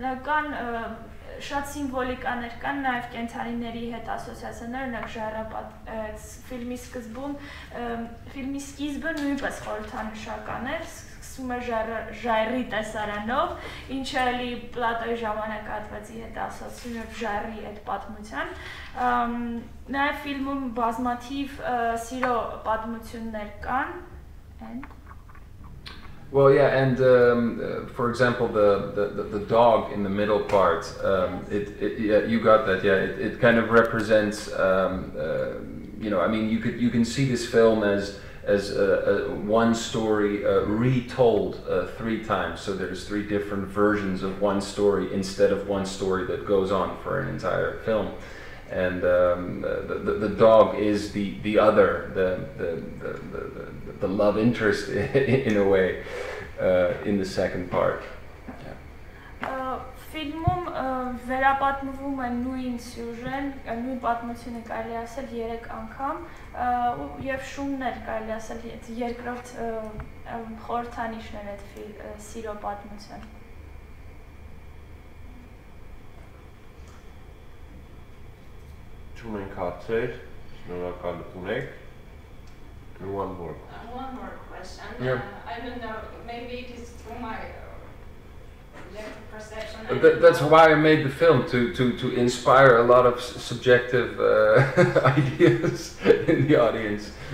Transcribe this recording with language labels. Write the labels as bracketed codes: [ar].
[hy] Կան շատ սիմվոլիկաներ կան նաև կենթանիների հետ ասոցիացիաներ, օրինակ ժայռապատ ֆիլմի սկզբում, ֆիլմի սկիզբը նույնպես խորհրդանշական է, սկսում է ժայռի տեսարանով, ինչը էլի Պլատոյի ժամանակահատվածի հետ ասոցացվում է ժայռի այդ պատմության։ Նաև ֆիլմում բազմաթիվ սիրո պատմություններ կան։ [en] Well, yeah, and for example, the dog in the middle part, you got that, yeah. It kind of represents, you know. I mean, you can see this film as one story retold three times. So there's three different versions of one story instead of one story that goes on for an entire film. And the dog is the other, the love interest in a way. In the second part. [hy] Ֆիլմում վերապատմվում են նույն սյուժեն, նույն պատմությունը կարելի ասել 3 անգամ, եւ շունն էլ կարելի ասել երկրորդ խորհրդանիշն է այդ սիրո պատմության։ Չունեն հարցեր, շնորհակալություն եք։ [en] One more question. Yeah. I don't know, maybe it is through my left perception. That's why I made the film, to inspire a lot of subjective ideas in the audience.